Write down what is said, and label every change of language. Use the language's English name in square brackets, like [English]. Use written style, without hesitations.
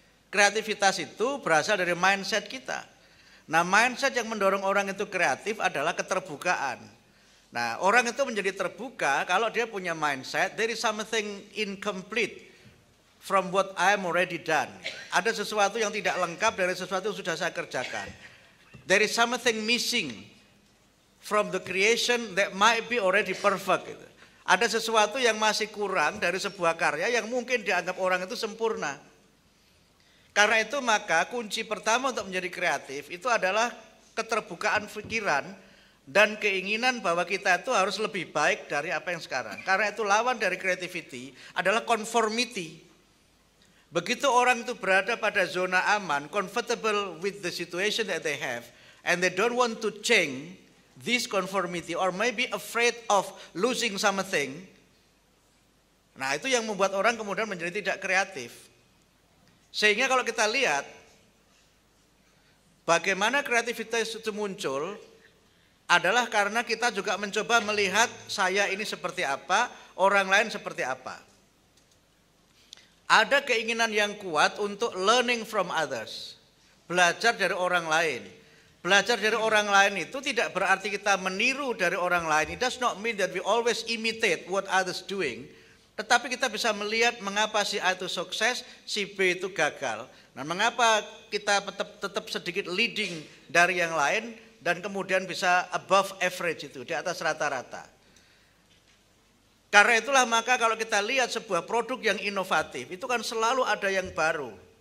[Indonesian] Kreativitas itu berasal dari mindset kita. Nah, mindset yang mendorong orang itu kreatif adalah keterbukaan. Nah, orang itu menjadi terbuka kalau dia punya mindset, [English] there is something incomplete from what I'm already done. [Indonesian] Ada sesuatu yang tidak lengkap dari sesuatu yang sudah saya kerjakan. [English] There is something missing from the creation that might be already perfect. [Indonesian] Ada sesuatu yang masih kurang dari sebuah karya yang mungkin dianggap orang itu sempurna. Karena itu maka kunci pertama untuk menjadi kreatif itu adalah keterbukaan pikiran dan keinginan bahwa kita itu harus lebih baik dari apa yang sekarang. Karena itu lawan dari creativity adalah conformity. Begitu orang itu berada pada zona aman, [English] comfortable with the situation that they have, and they don't want to change this conformity or maybe afraid of losing something, [Indonesian] nah itu yang membuat orang kemudian menjadi tidak kreatif. Sehingga kalau kita lihat bagaimana kreativitas itu muncul adalah karena kita juga mencoba melihat saya ini seperti apa, orang lain seperti apa. Ada keinginan yang kuat untuk [English] learning from others, [Indonesian] belajar dari orang lain. Belajar dari orang lain itu tidak berarti kita meniru dari orang lain. [English] It does not mean that we always imitate what others doing. [Indonesian] Tetapi kita bisa melihat mengapa si A itu sukses, si B itu gagal. Nah, mengapa kita tetap sedikit leading dari yang lain dan kemudian bisa [English] above average [Indonesian] itu, di atas rata-rata. Karena itulah maka kalau kita lihat sebuah produk yang inovatif, itu kan selalu ada yang baru.